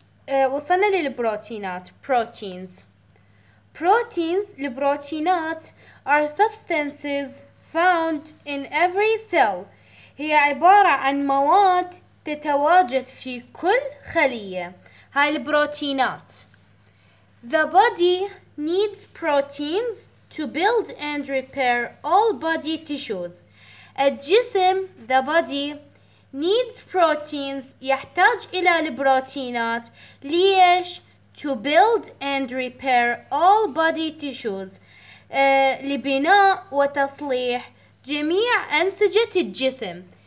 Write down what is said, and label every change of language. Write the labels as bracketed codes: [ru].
[ar] وصلنا للبروتينات proteins. [en] Proteins, [ar] البروتينات [en] are substances found in every cell. [ar] هي عبارة عن مواد تتواجد في كل خلية. هاي البروتينات. [en] The body needs proteins to build and repair all body tissues. [ar] الجسم, [en] the body, needs proteins, [ar] يحتاج إلى البروتينات. ليش؟ [en] To build and repair all body tissues. [ar] لبناء وتصليح جميع أنسجة الجسم.